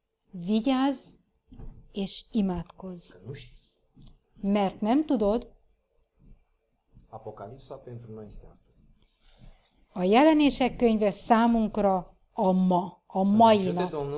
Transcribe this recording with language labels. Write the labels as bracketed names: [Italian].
[Hungarian] Vigyázz és imádkozz. Mert nem tudod, [Romanian] Apocalipsa pentru noi este astăzi. [Hungarian] A jelenések könyve számunkra a ma, a mai nap.